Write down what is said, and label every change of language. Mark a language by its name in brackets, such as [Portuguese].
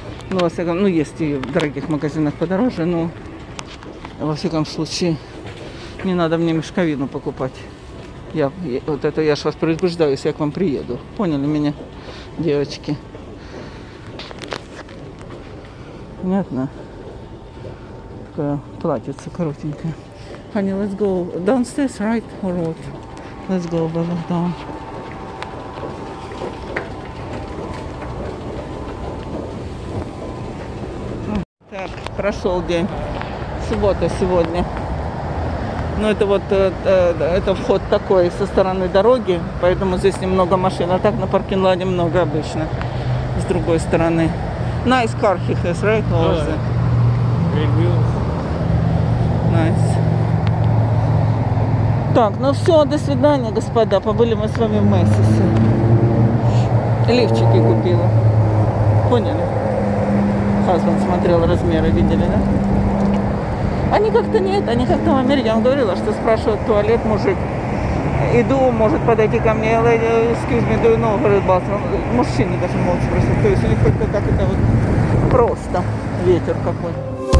[Russian] Ну, во всяком, ну, есть и в дорогих магазинах подороже, но, во всяком случае, не надо мне мешковину покупать. Вот это я ж вас предупреждаю, если я к вам приеду. Поняли меня, девочки? Понятно? Такое платьице коротенькое. [English] Honey, let's go downstairs, right? Or what? Let's go above down. [Russian] Так, прошел день. Суббота сегодня. Ну, это вот это вход такой со стороны дороги, поэтому здесь немного машин. А так на паркинг-лоте много обычно. С другой стороны. [English] Nice car he has, right? Yeah. Great wheels. Nice. [Russian] Так, ну все, до свидания, господа. Побыли мы с вами в Мэйсисе. Лифчики купила. Поняли? Хазбан смотрел размеры, видели, да? Они как-то нет, они как-то в Америке. Я вам говорила, что спрашивает туалет мужик. Иду, может подойти ко мне. Леди, [English] excuse me, do you know, [Russian] говорит, [English] bathroom. [Russian] Мужчины даже могут спросить. То есть у них как-то так это вот просто ветер какой-то.